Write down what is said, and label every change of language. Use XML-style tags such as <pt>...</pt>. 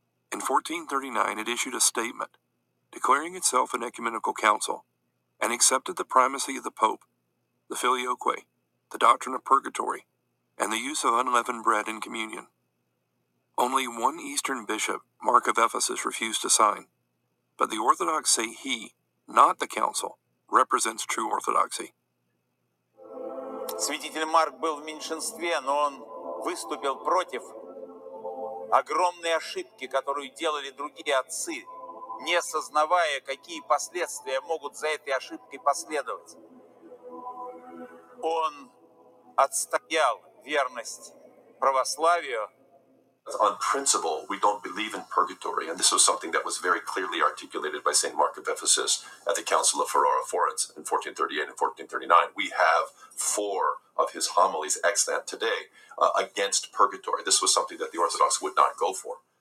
<en>In 1439, it issued a statement declaring itself an ecumenical council and accepted the primacy of the Pope, the Filioque, the doctrine of purgatory, and the use of unleavened bread in communion. Only one Eastern bishop, Mark of Ephesus, refused to sign, but the Orthodox say he, not the council, represents true Orthodoxy.</en> <ru>Святитель Марк был в меньшинстве, но он выступил против огромные ошибки, которые делали другие отцы, не сознавая, какие последствия могут за этой ошибкой последовать. Он отстоял верность православию.</ru> <en>On principle, we don't believe in purgatory, and this was something that was very clearly articulated by St. Mark of Ephesus at the Council of Ferrara Foreign in 1438 and 1439. We have four of his homilies extant today against purgatory. This was something that the Orthodox would not go for.</en>